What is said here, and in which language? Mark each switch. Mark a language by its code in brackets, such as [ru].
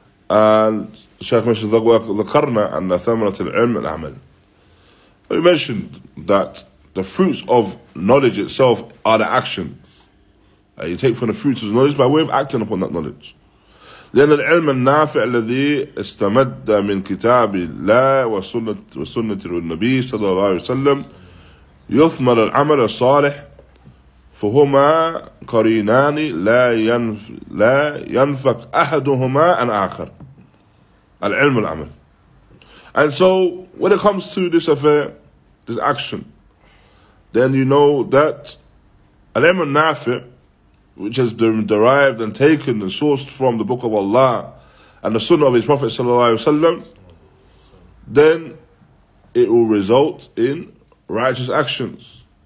[en] And Shaykh mentioned the work of the Qarna and the Thamarat al-Ilm al-Amal. We mentioned that the fruits of knowledge itself are the actions. And you take from the fruits of knowledge by way of acting upon that knowledge. [ar] لأن العلم النافع الذي استمد من كتاب الله وسنة النبي صلى الله عليه وسلم يثمر العمل الصالح فهما قرينان لا ينفك أحدهما عن آخر العلم العمل. [en] And so when it comes to this affair, this action, then you know that العلم النافع, which has been derived and taken and sourced from the Book of Allah and the Sunnah of His Prophet sallallahu alaihi wasallam, then it will result in righteous actions.